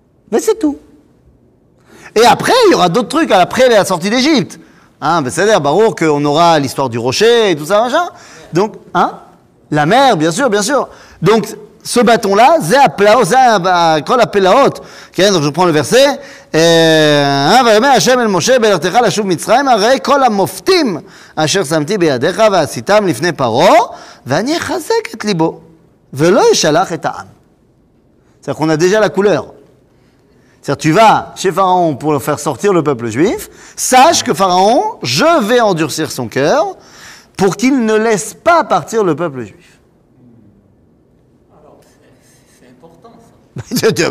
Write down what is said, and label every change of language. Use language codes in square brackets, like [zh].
[fr] Mais c'est tout. Et après, il y aura d'autres trucs après la sortie d'Égypte. Hein, ben, c'est-à-dire, Barour, qu'on aura l'histoire du rocher et tout ça, machin. Donc, hein, la mer, bien sûr, bien sûr. Donc, ce bâton-là, Zéa Plaot, okay, donc je prends le verset. [he] ויאמר השם אל משה בלכתך לשוב מצרים הרי כל המופתים אשר שמתי בידיך ועשיתם לפני פרעה ואני אחזק את ליבו ולא ישלח את העם. [fr] C'est-à-dire qu'on a déjà la couleur. C'est-à-dire tu vas chez Pharaon pour faire sortir le peuple juif, sache que Pharaon, je vais endurcir son cœur pour qu'il ne laisse pas partir le peuple juif. Alors, c'est important ça.